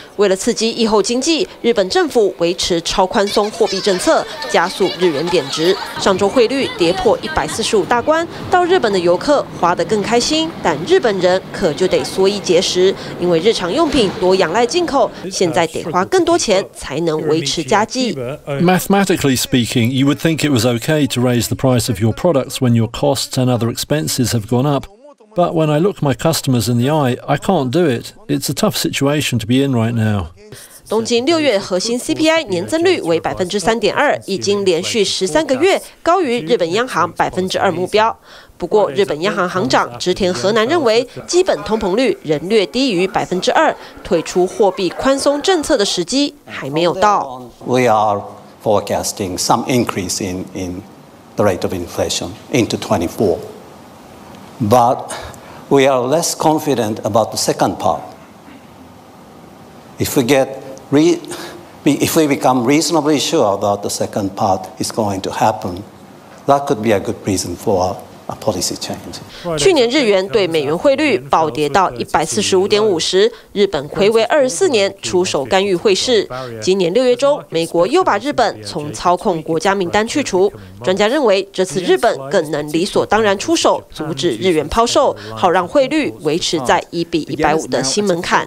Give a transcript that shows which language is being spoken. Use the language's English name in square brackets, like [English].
[Chinese] 为了刺激疫后经济，日本政府维持超宽松货币政策，加速日元贬值。上周汇率跌破145大关，到日本的游客花得更开心，但日本人可就得缩衣节食，因为日常用品多仰赖进口，现在得花更多钱才能维持家计。 [English] Mathematically speaking, you would think it was okay to raise the price of your products when your costs and other expenses have gone up. But when I look my customers in the eye, I can't do it. It's a tough situation to be in right now. [Chinese] 东京6月核心 CPI 年增率为 3.2%， 已经连续13个月高于日本央行 2% 目标。不过日本央行行长植田和南认为，基本通膨率仍略低于 2%， 退出货币宽松政策的时机还没有到。 [English] We are forecasting some increase in the rate of inflation into 2024. But we are less confident about the second part. If we become reasonably sure about the second part is going to happen, that could be a good reason for a policy change. [Chinese] 去年日元对美元汇率暴跌到145.50，日本暌违24年出手干预汇市。今年6月中，美国又把日本从操控国家名单去除。专家认为，这次日本更能理所当然出手，阻止日元抛售，好让汇率维持在1:150的新门槛。